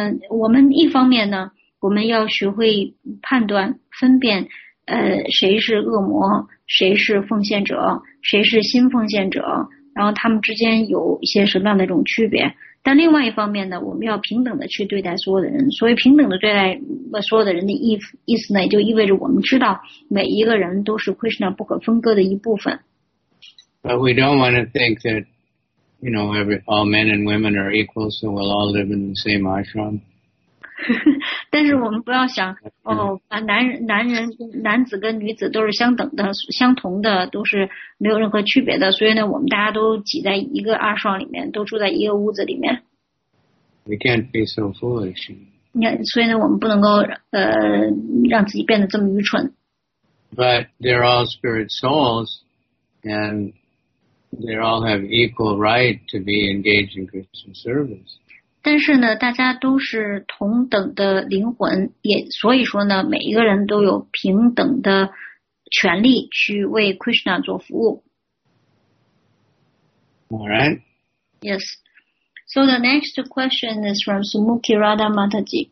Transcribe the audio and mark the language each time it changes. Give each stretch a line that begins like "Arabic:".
Chinese: 我们一方面呢，我们要学会判断分辨，谁是恶魔，谁是奉献者，谁是新奉献者，然后他们之间有一些什么样的一种区别。但另外一方面呢，我们要平等的去对待所有的人。所以平等的对待所有的人的意思呢，也就意味着我们知道每一个人都是 Krishna 不可分割的一部分。
English: But we don't want to think that, you know, all men and women are equal, so we'll all live in the same ashram.
Chinese: 但是我们不要想，哦，男子跟女子都是相等的、相同的，都是没有任何区别的。所以呢，我们大家都挤在一个二双里面，都住在一个屋子里面。
English: We can't be so foolish.
Chinese: 所以呢，我们不能够让自己变得这么愚蠢。
English: But they're all spirit souls, and they all have equal right to be engaged in Christian service.
Chinese: 但是呢，大家都是同等的灵魂，也所以说呢，每一个人都有平等的权利去为 Krishna 做服务。
English: All right. Yes. So the next question is from Sumukhi Radha Mataji.